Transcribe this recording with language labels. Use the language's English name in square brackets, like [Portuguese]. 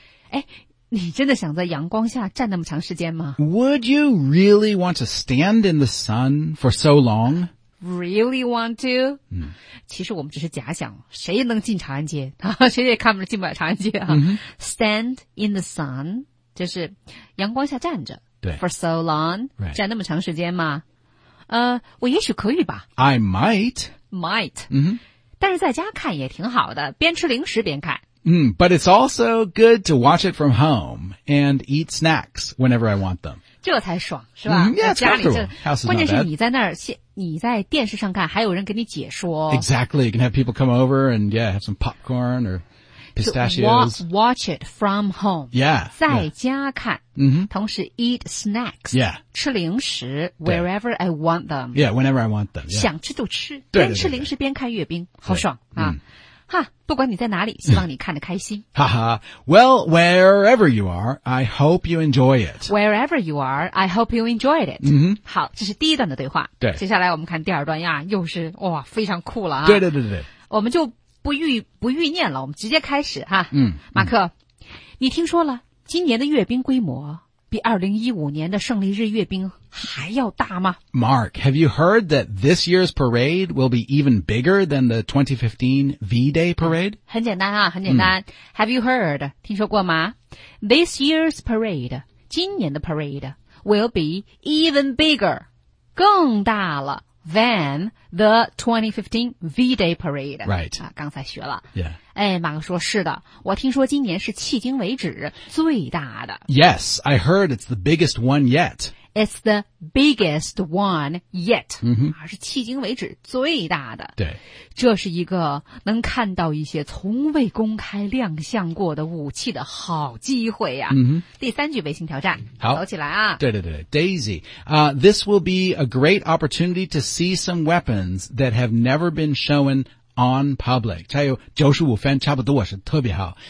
[Chinese] 诶你真的想在阳光下站那么长时间吗 [English] ?Would you really want to stand in the sun for so long? Really want to?、嗯、 [Chinese] 其实我们只是假想，谁也能进长安街，谁也看不着进不了长安街、啊嗯、 Stand in the sun, 就是阳光下站着对 [English] for so long,、 right. [Chinese] 站那么长时间吗？我也许可以吧。 [English] I might. Might.、嗯、 [Chinese] 但是在家看也挺好的，边吃零食边看。 [English] But it's also good to watch it from home and eat snacks whenever I want them. [Chinese] 这才爽是吧、mm-hmm. [English] yeah, [Chinese] 家里就 [English] house is [Chinese] 关键是你在那儿你在电视上看还有人给你解说。 [English] Exactly, you can have people come over and yeah, have some popcorn or pistachios. Watch it from home. Yeah. [Chinese] 在家看、 mm-hmm. [English] 同时 eat snacks. Yeah. 吃零食 wherever I want them. Yeah, whenever I want them.、Yeah. [Chinese] 想吃就吃对对对对边吃零食边看阅兵好爽啊。哈，不管你在哪里，希望你看得开心。 [English] 哈哈，Well, wherever you are, I hope you enjoy it. Wherever you are, I hope you enjoyed it. 嗯、mm-hmm. ， [Chinese] 好，这是第一段的对话。对，接下来我们看第二段呀，又是哇，非常酷了啊！对对对对，我们就不预念了，我们直接开始哈。嗯，马克，你听说了，今年的阅兵规模比2015年的胜利日阅兵还要大吗 [English] ？Mark, have you heard that this year's parade will be even bigger than the 2015 V-Day parade?、嗯、很简单啊，很简单。嗯、have you heard? 听说过吗？This year's parade, 今年的 parade will be even bigger, 更大了 than the 2015 V-Day parade. Right. [Chinese] 啊，刚才学了。 [English] Yeah. [Chinese] 哎，马克说是的，我听说今年是迄今为止最大的。 [English] Yes, I heard it's the biggest one yet. It's the biggest one yet. 嗯， [Chinese] 是迄今为止最大的。对，这是一个能看到一些从未公开亮相过的武器的好机会呀。嗯，第三句卫星挑战，好，走起来啊！ [English] 对对对 ，Daisy， this will be a great opportunity to see some weapons that have never been shown on public。 [Chinese] 它有95分，差不多是特别好。